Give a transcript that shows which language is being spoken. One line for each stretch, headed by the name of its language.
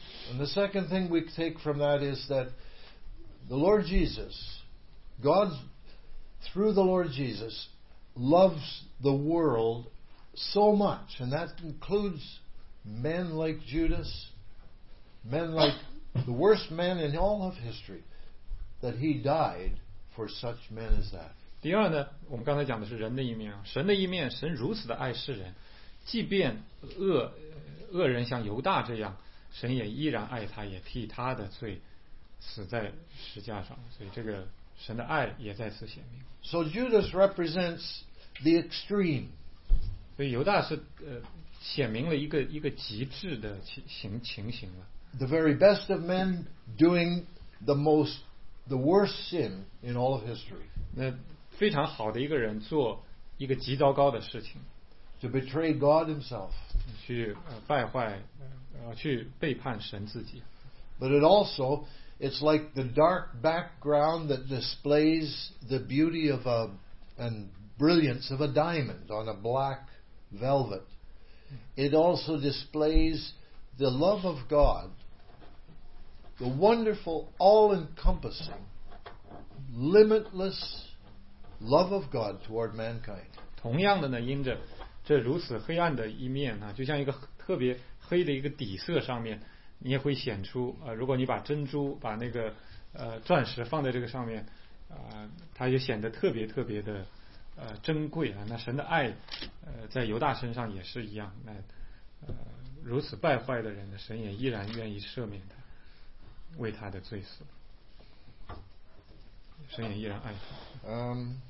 English: And the second thing we take from that is that the Lord Jesus, God, through the Lord Jesus, loves the world so much, and that includes. Men like Judas, men like the worst man in all of history, that he died for such men as that.
Chinese: 第二呢，我们刚才讲的是人的一面，神的一面，神如此的爱世人，即便恶人像犹大这样，神也依然爱他，也替他的罪死在十架上，所以这个神的爱也在此显明。
English: So Judas represents the extreme.
Chinese: 所以犹大是显明了一个极致的情形了。
English: The very best of men doing the worst sin in all of history.
Chinese: 那非常好的一个人做一个极糟糕的事情。
English: To betray God Himself.
Chinese: 去败坏，去背叛神自己。
English: But it also, it's like the dark background that displays the beauty of and brilliance of a diamond on a black velvet. It also displays the love of God, the wonderful, all-encompassing, limitless love of God toward mankind.
Chinese: 同样的呢，因着这如此黑暗的一面啊，就像一个特别黑的一个底色上面。你也会显出如果你把珍珠把那个钻石放在这个上面它就显得特别特别的珍贵啊。那神的爱在犹大身上也是一样，那如此败坏的人呢，神也依然愿意赦免他，为他的罪死，神也依然爱他。